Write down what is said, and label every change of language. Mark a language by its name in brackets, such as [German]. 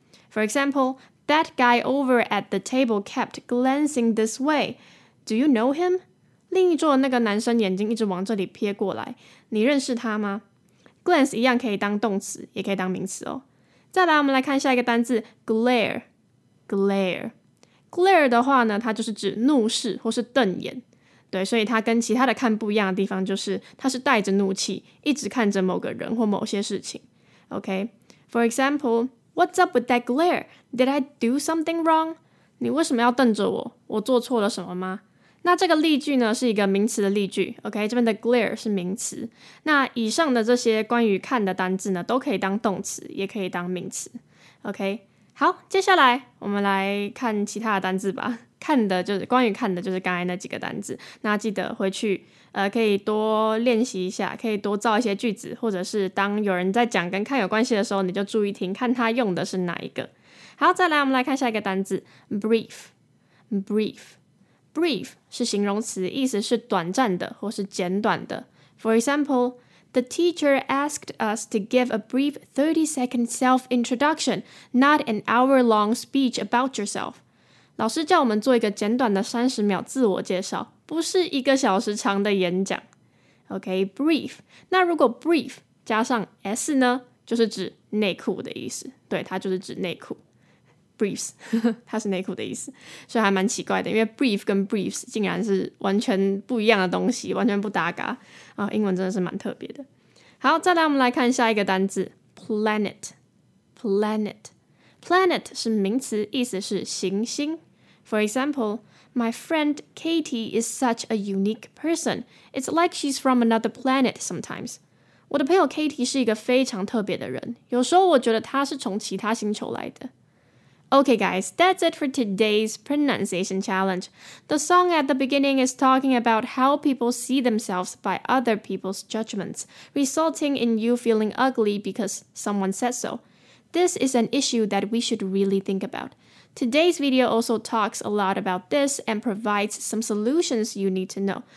[English] For example, that guy over at the table kept glancing this way. Do you know him? [Chinese] 另一桌的那个男生眼睛一直往这里瞥过来，你认识他吗？ Glance 一样可以当动词，也可以当名词哦。再来，我们来看下一个单字 glare。glare。 glare 的话呢，它就是指怒视或是瞪眼。对，所以它跟其他的看不一样的地方就是，它是带着怒气，一直看着某个人或某些事情。 [English] OK，For example, What's up with that glare? Did I do something wrong? [Chinese] 你为什么要瞪着我？我做错了什么吗？那这个例句呢，是一个名词的例句。 OK， 这边的 glare 是名词。那以上的这些关于看的单字呢，都可以当动词，也可以当名词。 OK， 好，接下来我们来看其他的单字吧。看的就是关于看的，就是刚才那几个单字。那记得回去可以多练习一下，可以多造一些句子，或者是当有人在讲跟看有关系的时候，你就注意听，看他用的是哪一个。好，再来我们来看下一个单字 ，brief， brief， brief 是形容词，意思是短暂的或是简短的。 [English] For example, the teacher asked us to give a brief 30-second self-introduction, not an hour-long speech about yourself. [Chinese] 老师叫我们做一个简短的30秒自我介绍，不是一个小时长的演讲。 OK, brief. 那如果 brief 加上 s 呢，就是指内裤的意思。对，它就是指内裤。briefs, 它是内裤的意思。所以还蛮奇怪的，因为 brief 跟 briefs 竟然是完全不一样的东西，完全不搭嘎。英文真的是蛮特别的。好，再来我们来看下一个单字 ,planet。planet。 [English] Planet [Chinese] 是名词，意思是行星。 [English] For example, my friend Katie is such a unique person. It's like she's from another planet sometimes. [Chinese] 我的朋友 Katie 是一个非常特别的人，有时候我觉得她是从其他星球来的。 [English] Okay guys, that's it for today's pronunciation challenge. The song at the beginning is talking about how people see themselves by other people's judgments, resulting in you feeling ugly because someone said so. This is an issue that we should really think about. Today's video also talks a lot about this and provides some solutions you need to know.